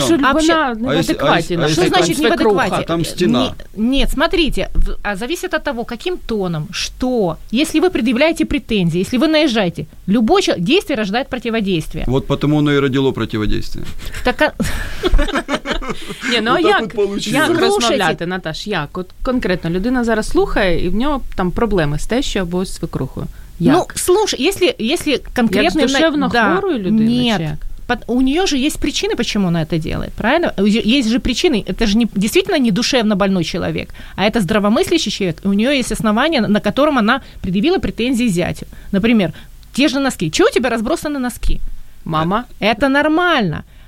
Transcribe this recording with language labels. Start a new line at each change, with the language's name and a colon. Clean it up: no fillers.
Russian: что? Либо на адеквате. А что значит не в адеквате? Там стена. Нет, смотрите, зависит от того, каким тоном, что. Если вы предъявляете претензии, если вы наезжаете, любое действие рождает противодействие. Вот потому оно и родило противодействие. Так а...
Ukrainian: Не, ну а як розмовляти, Наташ, як? От конкретно, людина зараз слухає, і в нього там проблеми з тещою або з свекрухою. Як?
Russian: Ну, слушай, если конкретно...
Ukrainian: Як душевно хворую людину, чи як?
Russian: У нее же есть причины, почему она это делает, правильно? Есть же причины, это же действительно не душевно больной человек, а это здравомыслящий человек, и у нее есть основания, на котором она предъявила претензии зятю. Например, те же носки. Чего у тебя разбросаны носки? Мама. Это нормально.